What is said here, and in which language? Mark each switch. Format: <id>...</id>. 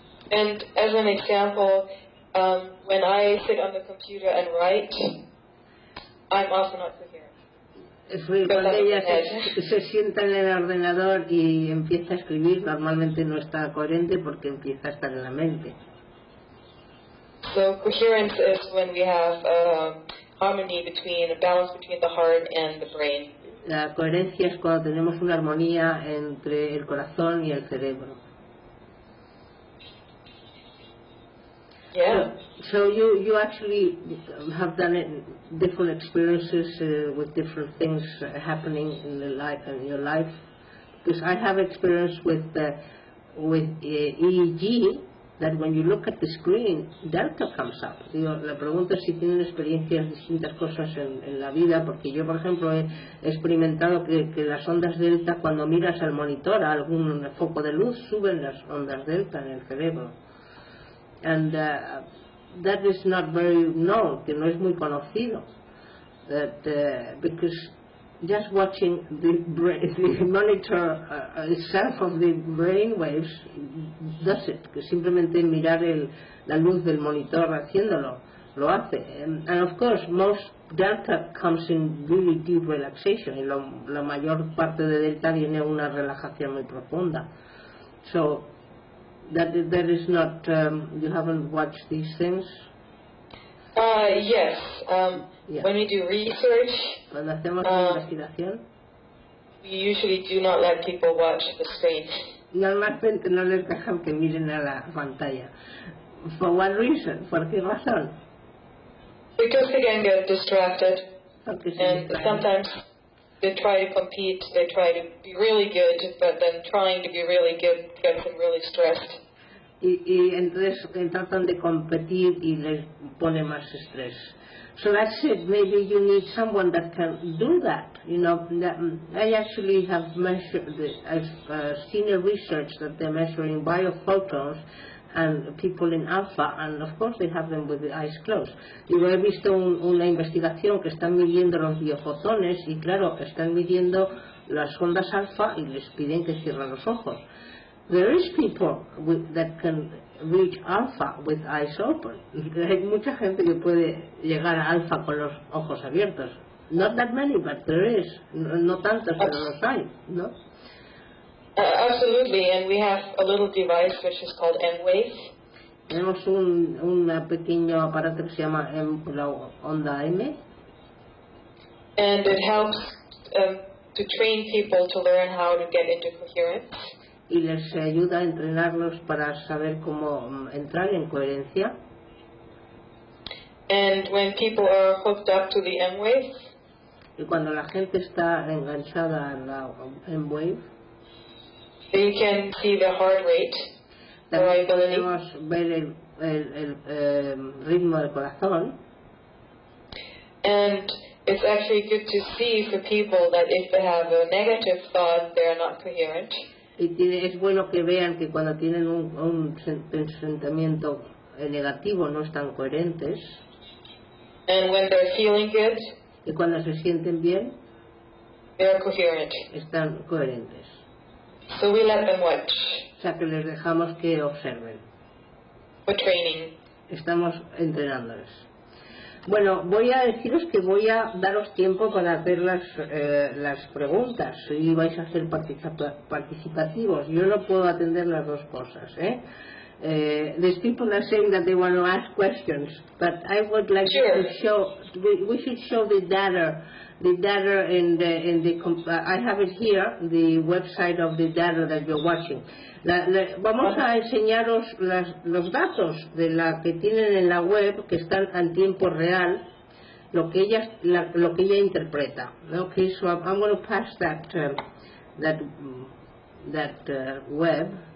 <en>And as an example, when I sit on the computer and write, I'm also not coherent.</en> <es>Es cuando ella se sienta en el ordenador y empieza a escribir, normalmente no está coherente porque empieza a estar en la mente.</es> <en>So coherence is when we have harmony between a balance between the heart and the brain.</en> <es>La coherencia es cuando tenemos una armonía entre el corazón y el cerebro.</es> <en>Yeah. So you actually have done it, different experiences with different things happening in the life and your life. Because I have experience with EEG. That when you look at the screen, delta comes up.</en> <es>Digo, la pregunta es si tienen experiencias distintas cosas en la vida, porque yo, por ejemplo, he experimentado que las ondas delta, cuando miras al monitor, a algún foco de luz, suben las ondas delta en el cerebro.</es> <en>And that is not very known,</en> <es>que no es muy conocido.</es> <en>That, because just watching the monitor itself of the brain waves does it.</en> <es>Que simplemente mirar la luz del monitor haciéndolo lo hace.</es> <en>And of course, most delta comes in really deep relaxation.</en> <es>Y la mayor parte de delta viene una relajación muy profunda.</es> <en>So that is not you haven't watched these things. Yes. Yeah. When we do research,</en> <es>cuando hacemos investigación,</es> <en>we usually do not let people watch the screen.</en> <es>Normalmente no les dejan que miren a la pantalla.</es> <en>For what reason?</en> <es>¿Por qué razón?</es> <en>Because they can get distracted.</en> <es>Porque se distraen.</es> <en>And sometimes they try to compete, they try to be really good, but then trying to be really good gets them really stressed.</en> <es>Y entonces tratan de competir y les pone más estrés.</es> <en>So that's it. Maybe you need someone that can do that. You know, I actually have measured, I've seen a research that they're measuring biophotons and people in alpha, and of course they have them with the eyes closed.</en> <es>Digo, he visto una investigación que están midiendo los biofotones y claro, están midiendo las ondas alfa y les piden que cierren los ojos.</es> <en>There is people that can reach alpha with eyes open.</en> <es>Hay mucha gente que puede llegar a alfa con los ojos abiertos.</es> <en>Not that many, but there is.</en> <es>No tantos, pero los hay, ¿no?</es> <en>Absolutely, and we have a little device which is called M-Wave.</en> <es>Tenemos un pequeño aparato que se llama la onda M.</es> <en>And it helps to train people to learn how to get into coherence.</en> <es>Y les ayuda a entrenarlos para saber cómo entrar en coherencia.</es> <en>And when people are hooked up to the M-Wave,</en> <es>y cuando la gente está enganchada a la M-Wave,</es> <en>they can see the heart rate.</en> <es>También podemos ver el ritmo del corazón.</es> <en>And it's actually good to see for people that if they have a negative thought, they are not coherent.</en> <es>Y tiene, es bueno que vean que cuando tienen un pensamiento negativo no están coherentes.</es> <en>And when they're feeling good,</en> <es>y cuando se sienten bien,</es> <en>they're coherent.</en> <es>Están coherentes.</es> <en>So we let them watch.</en> <es>O sea que les dejamos que observen.</es> <en>For training.</en> <es>Estamos entrenándoles. Bueno, voy a deciros que voy a daros tiempo para hacer las preguntas y vais a ser participativos. Yo no puedo atender las dos cosas, ¿eh?</es> <en>These people are saying that they want to ask questions, but I would like sure. to show. We should show the data in the. I have it here, the website of the data that you're watching.</en> <es>Vamos a enseñaros los datos de la que tienen en la web, que están en tiempo real, lo que ella interpreta.</es> <en>Okay, so I'm going to pass that web.</en>